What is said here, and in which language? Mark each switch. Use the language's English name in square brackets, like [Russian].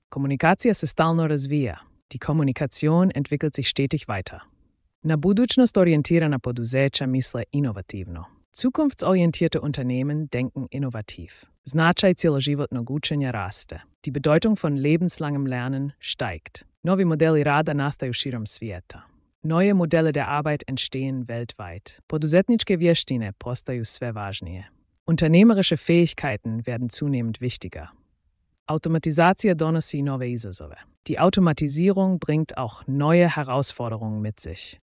[Croatian] Komunikacija se stalno razvija. [German] Die Kommunikation entwickelt sich stetig weiter. [Croatian] Na budućnost orientirana poduzeća misle inovativno. [German] Zukunftsorientierte Unternehmen denken innovativ. [Croatian] Značaj cjeloživotnog učenja raste. [German] Die Bedeutung von lebenslangem Lernen steigt. [Croatian] Novi modeli rada nastaju širom svijeta. [German] Neue Modelle der Arbeit entstehen weltweit. [Croatian] Poduzetničke vještine postaju sve važnije. [German] Unternehmerische Fähigkeiten werden zunehmend wichtiger. [Croatian] Automatizacija donosi nove izazove. [German] Die Automatisierung bringt auch neue Herausforderungen mit sich.